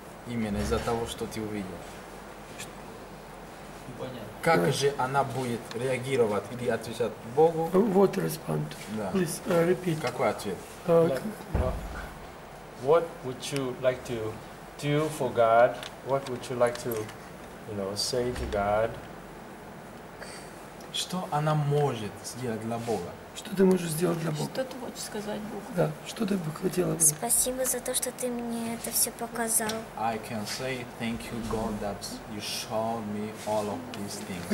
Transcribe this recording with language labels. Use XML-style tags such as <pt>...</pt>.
<ru>Именно из-за того, что ты увидел. Понятно. Как же она будет реагировать или отвечать Богу?</ru> <en>What respond?</en> <ru>Да.</ru> <en>Please repeat.</en> <ru>Какой ответ?</ru> <en>What would you like to do for God? What would you like to, you know, say to God?</en> <ru>Что она может сделать для Бога? Что ты можешь сделать для Бога? Что ты хочешь сказать Богу? Да, что ты бы хотела бы? Спасибо за то, что ты мне это все показал.</ru> <en>I can say thank you God that you showed me all of these things.</en>